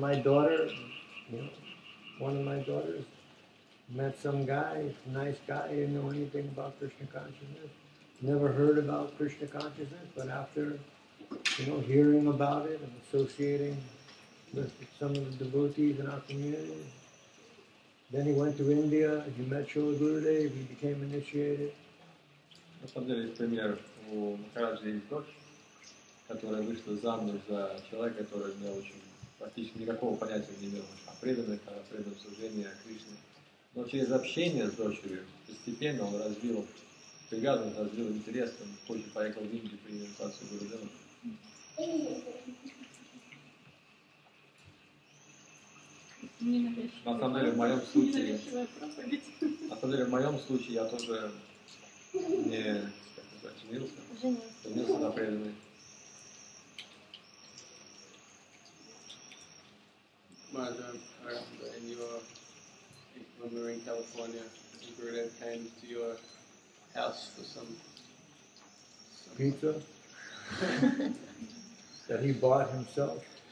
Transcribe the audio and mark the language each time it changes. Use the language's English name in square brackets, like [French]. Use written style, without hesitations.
[English] My daughter, you know, one of my daughters met some guy, nice guy, didn't know anything about Krishna consciousness, never heard about Krishna consciousness, but after, you know, hearing about it and associating with some of the devotees in our community, then he went to India, he met Srila Gurudev, he became initiated. [Russian] На самом деле, есть пример у Махараджи из Гош, которая вышла замуж за человека, который не очень, практически никакого понятия не имел о преданных, о преданном служении, о Кришне. Но через общение с дочерью постепенно он развил привязанность, развил интерес, он позже поехал в Индию при инициации Гурудева. На самом деле, в моем случае, я тоже не, как сказать, женился на преданной. [English] When we were in California, Gurudev came to your house for some pizza that he bought himself.